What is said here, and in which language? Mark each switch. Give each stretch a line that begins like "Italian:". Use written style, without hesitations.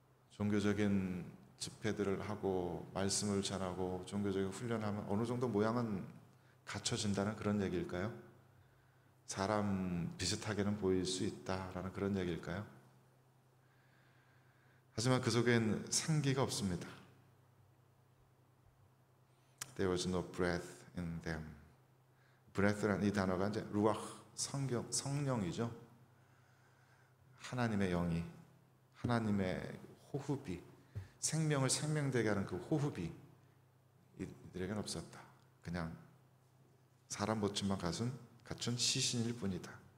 Korean: 종교적인 집회들을 하고 말씀을 전하고 종교적인 훈련을 하면 어느 정도 모양은 갖춰진다는 그런 얘기일까요? 사람 비슷하게는 보일 수 있다라는 그런 얘기일까요? 하지만 그 속엔 생기가 없습니다.
English: There was no breath in them. Breath
Korean: 라는 이 단어가 이제 루아흐, 성경, 성령이죠. 하나님의 영이, 하나님의 호흡이, 생명을 생명되게 하는 그 호흡이 이들에게는 없었다. 그냥 사람 모친만 가진 갖춘 시신일 뿐이다.